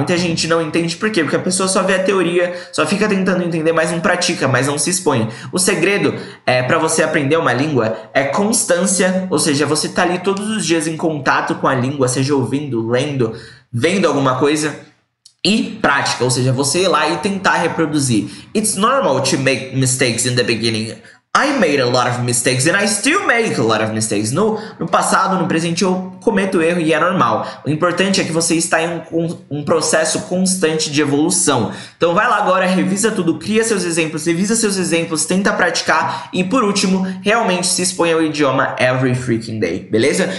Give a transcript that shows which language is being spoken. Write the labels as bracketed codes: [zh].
[pt] Muita gente não entende por quê, porque a pessoa só vê a teoria, só fica tentando entender, mas não pratica, mas não se expõe. O segredo é para você aprender uma língua é constância, ou seja, você tá ali todos os dias em contato com a língua, seja ouvindo, lendo, vendo alguma coisa, e prática, ou seja, você ir lá e tentar reproduzir. [en] It's normal to make mistakes in the beginning. I made a lot of mistakes and I still make a lot of mistakes. [pt] No passado, no presente, eu cometo erro e é normal. O importante é que você está em um processo constante de evolução. Então vai lá agora, revisa tudo, cria seus exemplos, revisa seus exemplos, tenta praticar e, por último, realmente se expõe ao idioma [en] every freaking day, [pt] beleza?